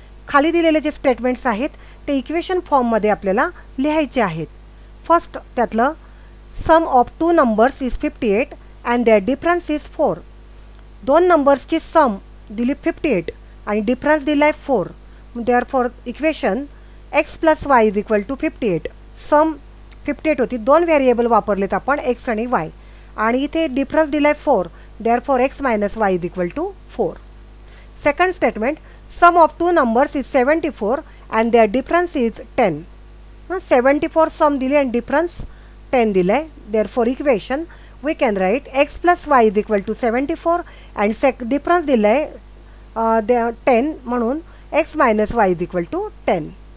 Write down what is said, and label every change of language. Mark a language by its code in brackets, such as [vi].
[mr] खाली दिलेले जे स्टेटमेंट्स आहेत ते इक्वेशन फॉर्ममध्ये आपल्याला लिहायचे आहेत. [en] first [mr] त्यातलं [en] Sum of two numbers is 58 and their difference is 4. [mr] दोन नंबर्सची सम दिली 58 आणि डिफरन्स दिला आहे 4. [en] Therefore equation x plus y is equal to 58. [mr] सम 58 होती, दोन व्हेरिएबल वापरलेत आपण एक्स आणि वाय, आणि इथे डिफरन्स दिला आहे 4. [en] Therefore x minus y is equal to 4. Second statement, sum of two numbers is 74 and their difference is 10. [mr] 74 सम दिली अँड डिफरन्स 10 दिलं आहे. [en] therefore equation we can write x plus y is equal to 74 and [mr] difference दिलं आहे 10, म्हणून [en] X minus y is equal to 10.